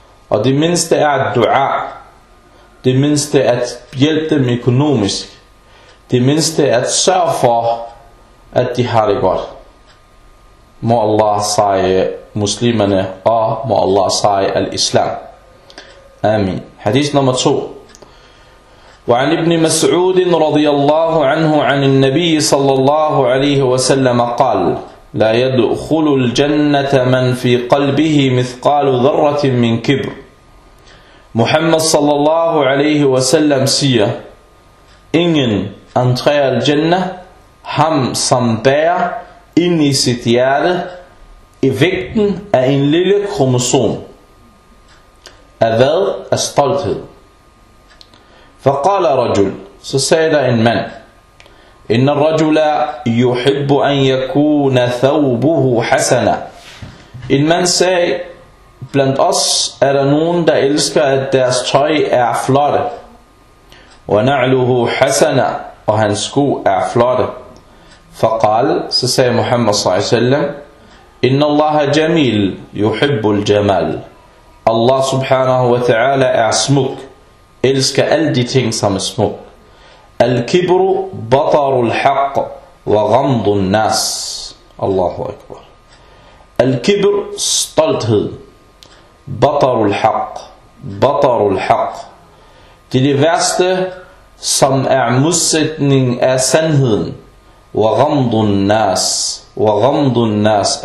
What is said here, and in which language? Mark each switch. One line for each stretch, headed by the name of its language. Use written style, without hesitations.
Danish: Og det mindste er at dua, det mindste er at hjælpe dem økonomisk, det mindste er at sørge for, at de har det godt. Må Allah sejre muslimerne, og må Allah sejre al-Islam. Amin. Hadith nummer 2.
Arabic: وعن ابن مسعود رضي الله عنه عن النبي صلى الله عليه وسلم قال لا يدخل الجنة من في قلبه مثقال ذرة من كبر.
Danish: محمد صلى الله عليه وسلم siger, ingen entrer al-jannah, ham som bærer ind i sit hjerte i vægten af en lille kromosom. Af hvad? Af stolthed.
Arabic: فقال رجل,
Danish: så sagde der en mand,
Arabic: إن الرجل يحب أن يكون ثوبه حسنا. إن من
Danish: say, blandt os er der nogen, der elsker, at deres tøj er flotte.
Arabic: ونعله حسنا,
Danish: og hans sko er flotte.
Arabic: فقال,
Danish: så sagde Muhammad
Arabic: صلى الله عليه وسلم, إن الله جميل يحب الجمال.
Danish: Allah subhanahu wa ta'ala er smuk, elsker alle de ting, som er smuk.
Arabic: الكبر بطر الحق وغمض الناس. الله أكبر. الكبر stolthed. بطر الحق. بطر الحق.
Danish: Det er det værste, som er modsætning af sandheden.
Arabic: وغمض الناس. وغمض الناس.